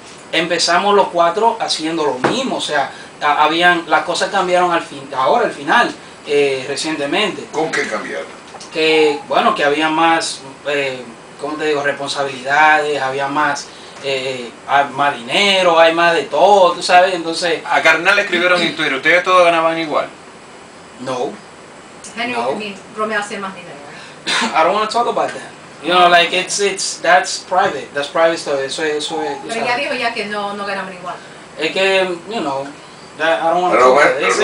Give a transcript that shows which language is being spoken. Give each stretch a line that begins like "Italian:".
Spanish: Empezamos los cuatro haciendo lo mismo, o sea, las cosas cambiaron al final, recientemente. ¿Con qué cambiaron? Que, bueno, que había más, ¿cómo te digo?, responsabilidades, había más, más dinero, hay más de todo, tú sabes, entonces... A Carnal le escribieron en Twitter, ¿ustedes todos ganaban igual? No. Genio, bromeaste más dinero.
English: I don't want to talk about that. You know, like, it's, that's private stuff,
Spanish: eso es. Pero ya dijo ya que no ganamos igual. Es que,
English: you know, that, I don't want to talk about it.